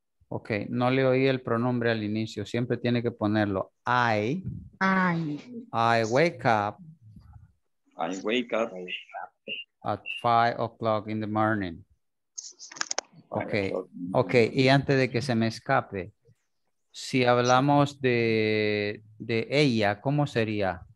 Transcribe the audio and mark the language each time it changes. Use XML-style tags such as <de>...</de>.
<es>Okay, no le oí el pronombre al inicio. Siempre tiene que ponerlo.</es> <en>I wake up at 5 o'clock in the morning. Okay. Okay.</en> <es>Y antes de que se me escape, si hablamos de ella, ¿cómo sería?</es>